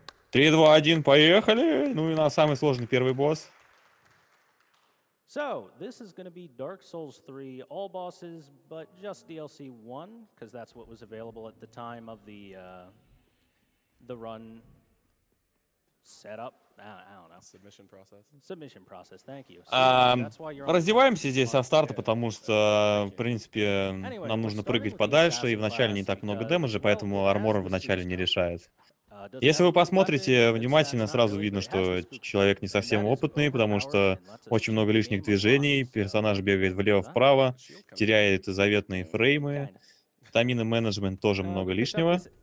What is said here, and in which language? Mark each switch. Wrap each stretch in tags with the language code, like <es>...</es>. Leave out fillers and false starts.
<ru>3, 2, 1, поехали! Ну и на самый сложный первый босс.</ru> <en>So, this is gonna be Dark Souls 3, all bosses, but just DLC 1, because that's what was available at the time of the run setup. I don't know. Submission process, thank you.</en> <ru>Раздеваемся здесь со старта, потому что, в принципе, нам нужно прыгать подальше, и вначале не так много дэмэджа, поэтому армор вначале не решает. Если вы посмотрите внимательно, сразу видно, что человек не совсем опытный, потому что очень много лишних движений, персонаж бегает влево-вправо, теряет заветные фреймы, витамины менеджмент тоже много лишнего.</ru>